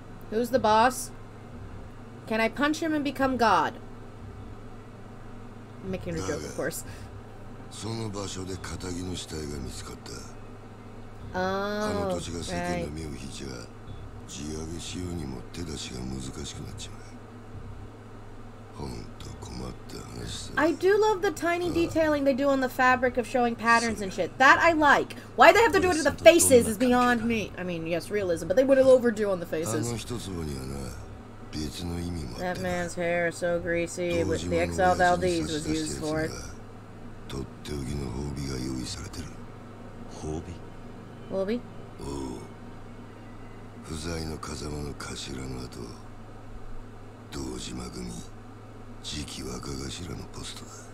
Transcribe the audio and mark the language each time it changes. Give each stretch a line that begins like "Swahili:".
English: Who's the boss? Can I punch him and become God? I'm making a joke, of course.
Japanese: その場所で片木の死体が見つかった。あの土地が世間の目を引いちゃ、地上げしようにも手出しが難しくなっちまう。本当困った話さ。
English: I do love the tiny detailing they do on the fabric of showing patterns and shit. That I like. Why they have to do it to the faces is beyond me. I mean, yes, realism, but they would have overdo on the faces.
Japanese: あの一つぼにはな、別の意味もあった。
English: That man's hair is so greasy, which the exiled Aldees was used for.
Japanese: とっておきの褒美が用意されてる。褒美？褒美？おお。不在の風間の頭の後、堂島組。次期若頭のポストだ。